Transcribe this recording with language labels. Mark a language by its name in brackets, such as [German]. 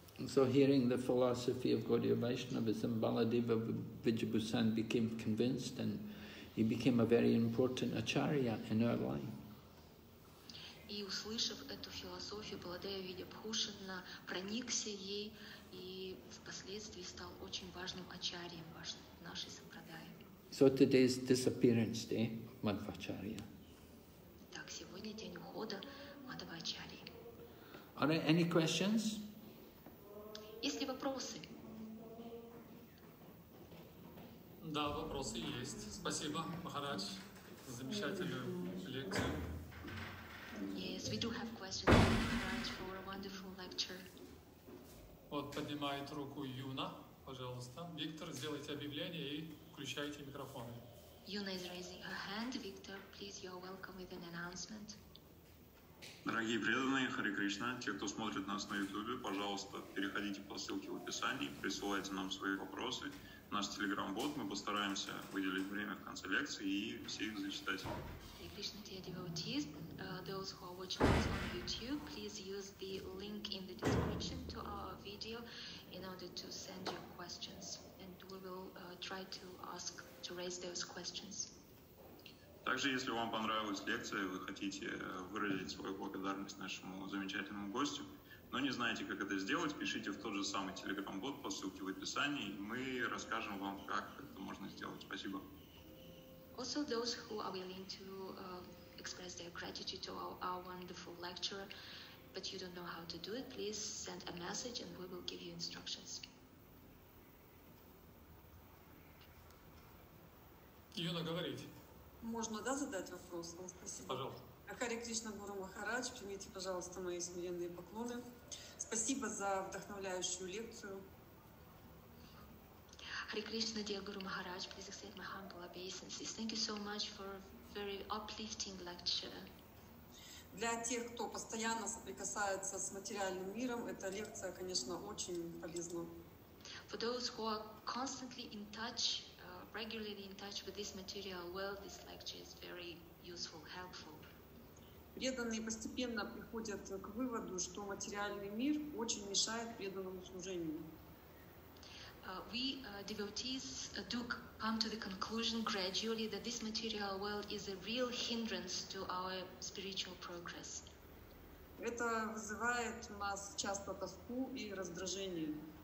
[English] So hearing the philosophy of Gaudiya Vaishnavism, Baladeva Vidyabhusan became convinced and he became a very important acharya in our line. [Russian] И услышав эту философию, Баладея Видьябхушана проникся ей и впоследствии стал очень важным ачарьем в нашей сампрадае. [English] So today is disappearance day of Madhvacharya. [Russian] Так, сегодня день ухода Мадхвачарьи. [English] Are there any questions? [Russian] Есть ли вопросы? Да, вопросы есть. Спасибо, Махарадж, за замечательную лекцию. [English] Yes, we do have questions for a wonderful lecture. [Russian] Вот поднимает руку Юна, пожалуйста. Виктор, сделайте объявление и включайте микрофоны. [English] Юна is raising her hand. Виктор, please, you're welcome with an announcement. [Russian] Дорогие преданные, Харе Кришна, те, кто смотрит нас на YouTube, пожалуйста, переходите по ссылке в описании, присылайте нам свои вопросы. Наш телеграм-бот, мы постараемся выделить время в конце лекции и все их зачитать. [English] Krishna dear devotees, those who are watching us on YouTube, please use the link in the description to our video in order to send your questions, and we will try to ask to raise those questions. [Russian] Также, если вам понравилась лекция, вы хотите выразить свою благодарность нашему замечательному гостю, но не знаете, как это сделать, пишите в тот же самый Telegram-бот по ссылке в описании, и мы расскажем вам, как это можно сделать. Спасибо. [English] Also, those who are willing to express their gratitude to our wonderful lecturer, but you don't know how to do it, please send a message and we will give you instructions. [Russian] Юна, говорите. Можно, да, задать вопрос? Спасибо. Пожалуйста. Харе Кришна Гуру Махарадж, примите, пожалуйста, мои смиренные поклоны. Спасибо за вдохновляющую лекцию. [English] Hare Krishna, dear Guru Maharaj, please accept my humble obeisances. Thank you so much for a very uplifting lecture. [Russian] Для тех, кто постоянно соприкасается с материальным миром, эта лекция, конечно, очень полезна. [English] For those who are constantly in touch, regularly in touch with this material world, this lecture is very useful, helpful. [Russian] Преданные постепенно приходят к выводу, что материальный мир очень мешает преданному служению. [English] Devotees do come to the conclusion gradually that this material world is a real hindrance to our spiritual progress. [Russian] Это вызывает у нас часто тоску и раздражение.